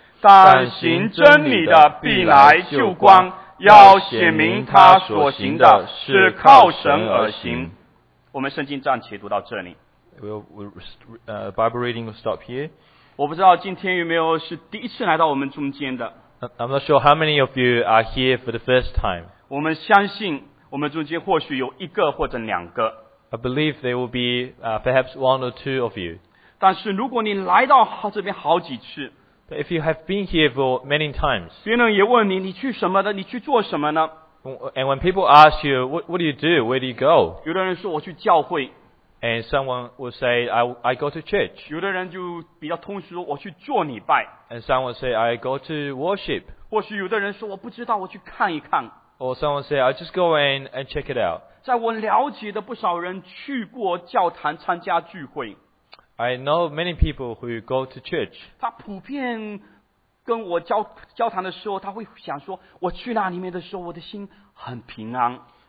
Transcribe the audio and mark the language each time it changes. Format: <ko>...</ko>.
<zh>但行真理的必来救光，要显明他所行的是靠神而行。我们圣经暂且读到这里。</zh> <en>Bible reading will stop here.</en> <zh>我不知道今天有没有是第一次来到我们中间的。</zh> <en>I'm not sure how many of you are here for the first time.</en> <zh>我们相信我们中间或许有一个或者两个。</zh> <en>I believe there will be perhaps one or two of you.</en> <zh>但是如果你来到这边好几次，</zh> <en>But if you have been here for many times,</en> <zh>别人也问你，你去什么的？你去做什么呢？</zh> <en>And when people ask you, what do you do? Where do you go?</en> <zh>有的人说我去教会。</zh> <en>And someone will say, I go to church.</en> <zh>有的人就比较通俗，我去做礼拜。</zh> <en>And someone will say, I go to worship.</en> <zh>或许有的人说我不知道，我去看一看。</zh> <en>Or someone will say, I just go in and check it out.</en> <zh>在我了解的不少人去过教堂参加聚会。</zh> <en>I know many people who go to church.</en> <zh>他普遍跟我交谈的时候，他会想说，我去那里面的时候，我的心很平安。</zh>